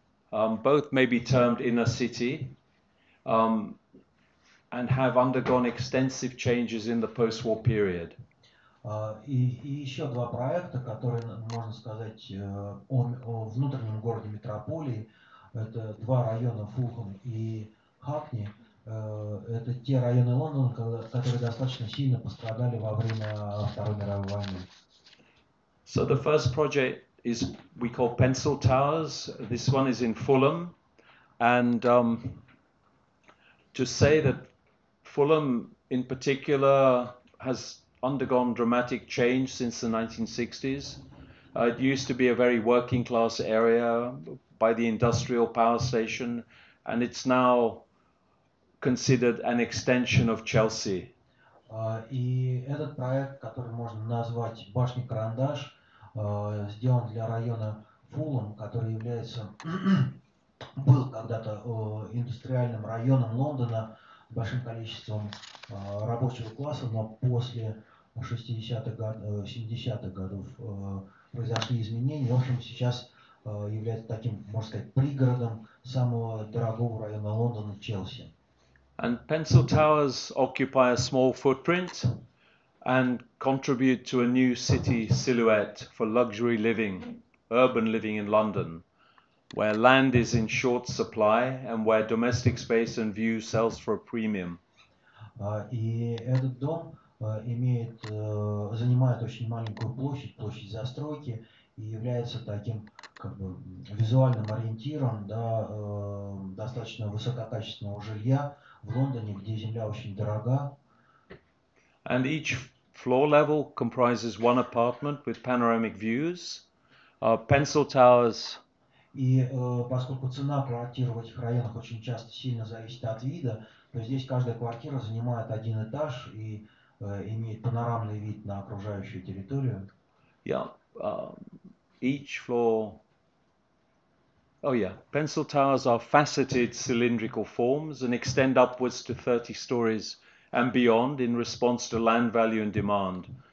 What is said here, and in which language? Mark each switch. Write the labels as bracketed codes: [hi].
[en] Both may be termed inner city and have undergone extensive changes in the post-war period. [ru] И еще два проекта, которые, можно сказать, о внутреннем городе метрополии. Это два района, Фулхам и Хакни. Это те районы Лондона, которые достаточно сильно пострадали во время Второй мировой войны. [en] So the first project is we call Pencil Towers. This one is in Fulham. And to say that Fulham in particular has undergone dramatic change since the 1960s. It used to be a very working class area by the industrial power station, and it's now considered an extension of Chelsea. [ru] И этот проект, который можно назвать «Башня Карандаш», сделан для района Фулхам, который является был когда-то индустриальным районом Лондона с большим количеством рабочего класса, но после 70-х годов произошли изменения. В общем, сейчас является таким, можно сказать, пригородом самого дорогого района Лондона, Челси. [en] And Pencil Towers occupy a small footprint and contribute to a new city silhouette for luxury living, urban living in London, where land is in short supply and where domestic space and view sells for a premium. [ru] И этот дом занимает очень маленькую площадь застройки и является таким как бы визуальным ориентиром, да, достаточно высококачественного жилья в Лондоне, где земля очень дорога. [en] And each floor level comprises one apartment with panoramic views, Pencil Towers. [ru] И поскольку цена квартир в этих районах очень часто сильно зависит от вида, то здесь каждая квартира занимает один этаж и имеет панорамный вид на окружающую территорию. [en] Yeah, each floor. Oh yeah, Pencil Towers are faceted cylindrical forms and extend upwards to 30 stories and beyond in response to land value and demand.